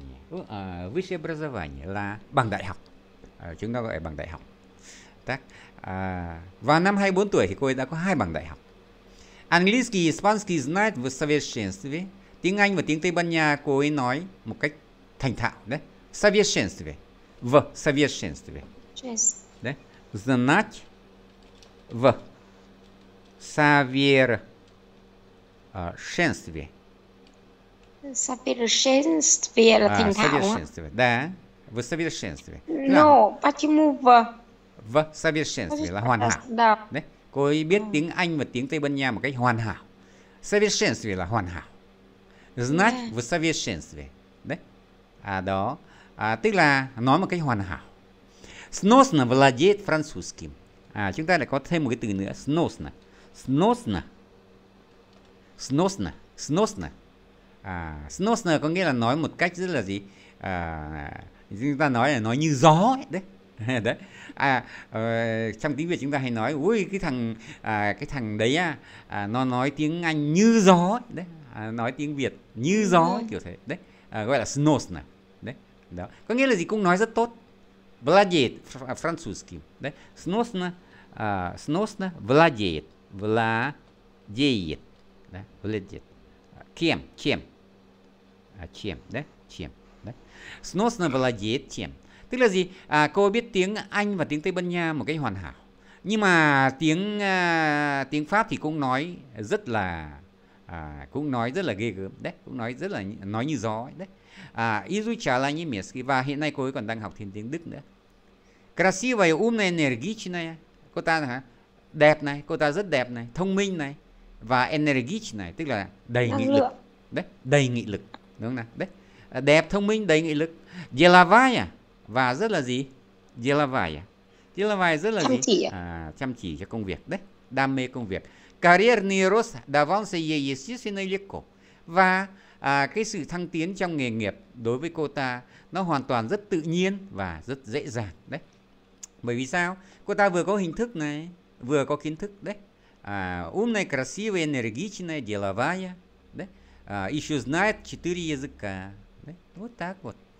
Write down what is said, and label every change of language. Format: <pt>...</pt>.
<ru>Высшее образование</ru> <vi>là bằng đại học. Chúng ta gọi bằng đại học.</vi> <ru>Так.</ru> <vi>Và năm 24 tuổi thì cô ấy đã có hai bằng đại học.</vi> <ru>Английский и испанский знает в совершенстве.</ru> <vi>Tiếng Anh và tiếng Tây Ban Nha cô ấy nói một cách thành thạo đấy.</vi> <ru>Совершенстве. В совершенстве. Yes. Đấy. Знать в совершенстве. Совершенстве</ru> <vi>là thành thạo.</vi> <ru>Совершенстве. Да. No, почему в? В совершенстве</ru> <vi>là hoàn hảo.</vi> <ru>Да.</ru> <vi>Đấy. Cô ấy biết tiếng Anh và tiếng Tây Ban Nha một cách hoàn hảo. Совершенстве là hoàn hảo.</vi> <ru>Знать в совершенстве. Đấy. À đó.</ru> <vi>À, tức là nói một cách hoàn hảo.</vi> <ru>Сносно владеет французским.</ru> <vi>À, chúng ta lại có thêm một cái từ nữa.</vi> <ru>Сносно. Сносно. Сносно. Сносно.</ru> <vi>À, сносно có nghĩa là nói một cách rất là gì? À, chúng ta nói là nói như gió ấy. Đấy. Đấy. À, trong tiếng Việt chúng ta hay nói, ui cái thằng đấy á, à, nó nói tiếng Anh như gió ấy. Đấy. À, nói tiếng Việt như gió ấy, kiểu thế. Đấy. À, gọi là сносно. Đấy. Đó. Có nghĩa là gì? Cũng nói rất tốt.</vi> <ru>Владеет французским. Да? Сносно, сносно владеет. Владеет. Да? Владеет. Кем? Чем? Чем? Да? Чем? Да? Сносно владеет чем?</ru> <vi>Tức là gì? À, cô biết tiếng Anh và tiếng Tây Ban Nha một cách hoàn hảo. Nhưng mà tiếng Pháp thì cũng nói rất là cũng nói rất là ghê gớm đấy, cũng nói rất là nói như gió ấy, đấy. À,</vi> <ru>изучала немецкий,</ru> <vi>và hiện nay cô ấy còn đang học thêm tiếng Đức nữa.</vi> <ru>Красивая, умная, энергичная.</ru> <vi>Cô ta hả? Đẹp này, cô ta rất đẹp này, thông minh này và энергичная, tức là đầy nghị lực. Đấy, đầy nghị lực, đúng không nào? Đấy. Đẹp, thông minh, đầy nghị lực. Деловая và rất là gì? Деловая. Деловая rất là chăm gì? Chỉ. À, chăm chỉ cho công việc đấy, đam mê công việc.</vi> <ru>Карьерный рост давался ей естественно легко.</ru> <vi>Và à, cái sự thăng tiến trong nghề nghiệp đối với cô ta nó hoàn toàn rất tự nhiên và rất dễ dàng đấy. Bởi vì sao? Cô ta vừa có hình thức này, vừa có kiến thức đấy.</vi> <ru>À, умная, красивая, энергичная, деловая, đấy. À, еще знает 4 языка. Đấy, вот так вот.</ru>